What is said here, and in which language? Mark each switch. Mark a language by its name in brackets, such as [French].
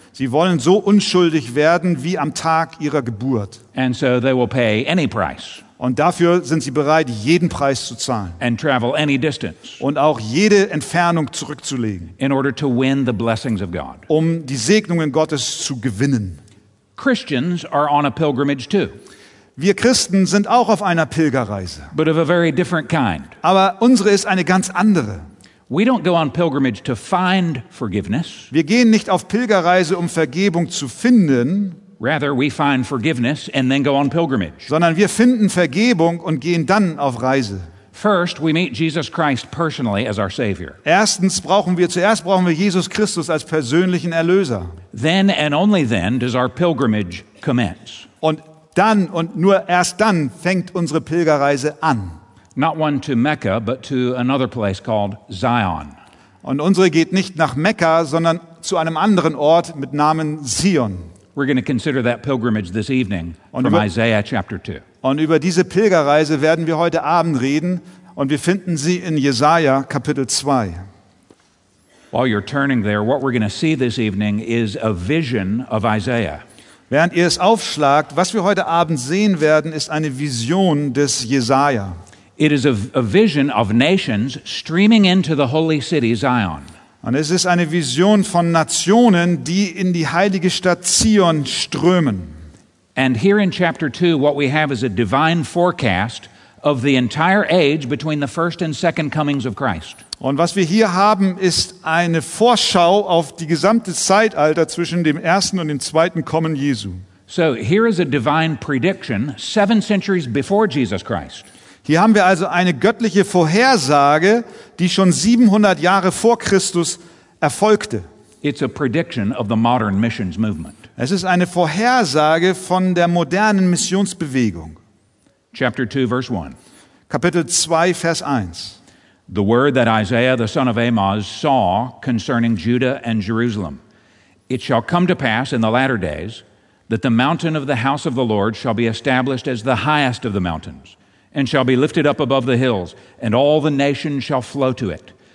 [German] Sie wollen so unschuldig werden wie am Tag ihrer Geburt. [English] And so they will pay any price. [German] Und dafür sind sie bereit, jeden Preis zu zahlen. [English] And travel any distance. [German] Und auch jede Entfernung zurückzulegen. [English] In order to win the blessings of God. [German] Um die Segnungen Gottes zu gewinnen. [English] Christians are on a pilgrimage too. [German] Wir Christen sind auch auf einer Pilgerreise. [English] But of a very different kind. [German] Aber unsere ist eine ganz andere. [English] We don't go on pilgrimage to find forgiveness. [German] Wir gehen nicht auf Pilgerreise, um Vergebung zu finden. [English] Rather, we find forgiveness and then go on pilgrimage. [German] Sondern wir finden Vergebung und gehen dann auf Reise. [English] First, we meet Jesus Christ personally as our Savior. [German] Zuerst brauchen wir Jesus Christus als persönlichen Erlöser. [English] Then and only then does our pilgrimage commence. [German] Und dann und nur erst dann fängt unsere Pilgerreise an. [English] Not one to Mecca, but to another place called Zion. [German] Und unsere geht nicht nach Mekka, sondern zu einem anderen Ort mit Namen Zion. [English] We're going to consider that pilgrimage this evening from Isaiah chapter 2. [German] Und über diese Pilgerreise werden wir heute Abend reden und wir finden sie in Jesaja Kapitel 2. [English] While you're turning there, what we're going to see this evening is a vision of Isaiah. [German] Während ihr es aufschlagt, was wir heute Abend sehen werden, ist eine Vision des Jesaja. [English] It is a vision of nations streaming into the holy city Zion. [German] Und es ist eine Vision von Nationen, die in die heilige Stadt Zion strömen. [English] And here in chapter 2, what we have is a divine forecast of the entire age between the first and second comings of Christ. [German] Und was wir hier haben, ist eine Vorschau auf die gesamte Zeitalter zwischen dem ersten und dem zweiten Kommen Jesu. [English] So here is a divine prediction 7 centuries before Jesus Christ. [German] Hier haben wir also eine göttliche Vorhersage, die schon 700 Jahre vor Christus erfolgte. [English] It's a prediction of the modern missions movement. [German] Es ist eine Vorhersage von der modernen Missionsbewegung. [English] Chapter 2, verse 1. [German] Kapitel 2, Vers 1. [English] The word that Isaiah, the son of Amoz, saw concerning Judah and Jerusalem. It shall come to pass in the latter days that the mountain of the house of the Lord shall be established as the highest of the mountains and shall be lifted up above the hills, and all the nations shall flow to it.